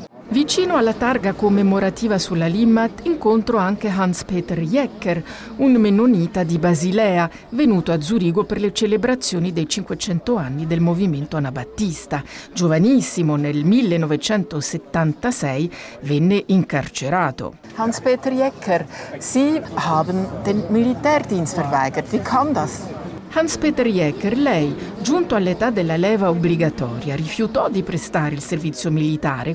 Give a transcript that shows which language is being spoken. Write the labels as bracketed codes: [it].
[it] Vicino alla targa commemorativa sulla Limmat incontro anche Hans-Peter Jecker, un mennonita di Basilea, venuto a Zurigo per le celebrazioni dei 500 anni del movimento anabattista. Giovanissimo, nel 1976, venne incarcerato. [de] Hans-Peter Jecker, Sie haben den Militärdienst verweigert. Wie kam das? [it] Hans-Peter Jecker, lei, giunto all'età della leva obbligatoria, rifiutò di prestare il servizio militare.